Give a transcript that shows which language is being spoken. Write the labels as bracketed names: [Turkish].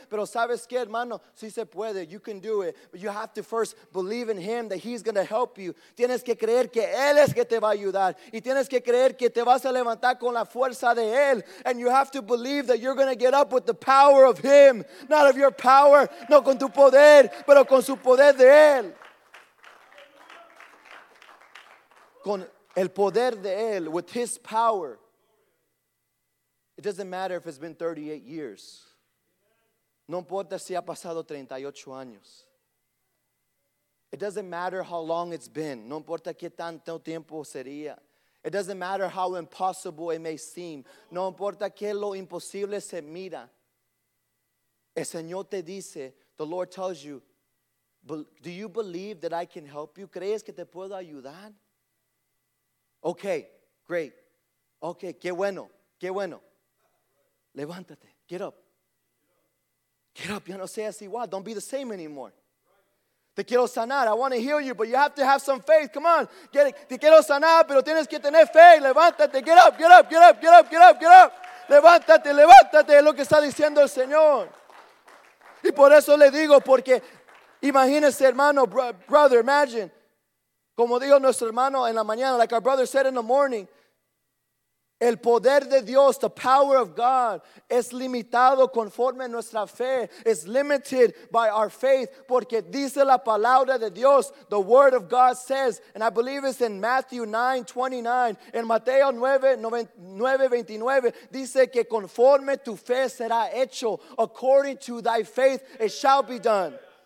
[Spanish] Pero sabes que, hermano, si se puede, [English] you can do it. But you have to first believe in him, that he's going to help you. [Spanish] Tienes que creer que que Él es que te va a ayudar. Y tienes que creer que te vas a levantar con la fuerza de Él. [English] And you have to believe that you're going to get up with the power of Him. Not of your power, [Spanish] no con tu poder, pero con su poder de Él. Con el poder de Él, [English] with His power. It doesn't matter if it's been 38 years. [Spanish] No importa si ha pasado 38 años. [English] It doesn't matter how long it's been. [Spanish] No importa qué tanto tiempo sería. [English] It doesn't matter how impossible it may seem. [Spanish] No importa qué lo imposible se mira. El Señor te dice, [English] the Lord tells you, do you believe that I can help you? [Spanish] ¿Crees que te puedo ayudar? [English] Okay, great. [Spanish] Okay, qué bueno, qué bueno. Levántate, [English] get up. Get up, [Spanish] ya no seas igual. [English] Don't be the same anymore. [Spanish] Te quiero sanar, [English] I want to heal you, but you have to have some faith. Come on, get it. [Spanish] Te quiero sanar, pero tienes que tener fe. Levántate, [English] get up, get up, get up, get up, get up, get up. [Spanish] Levántate, levántate, es lo que está diciendo el Señor. Y por eso le digo, porque imagínese, hermano, [English] brother, imagine. [Spanish] Como dijo nuestro hermano en la mañana, [English] like our brother said in the morning, [Spanish] el poder de Dios, [English] the power of God, [Spanish] es limitado conforme nuestra fe, [English] is limited by our faith, [Spanish] porque dice la palabra de Dios, [English] the word of God says, and I believe it's in Matthew 9:29, [Spanish] en Mateo 9:29, dice que conforme tu fe será hecho, [English] according to thy faith, it shall be done.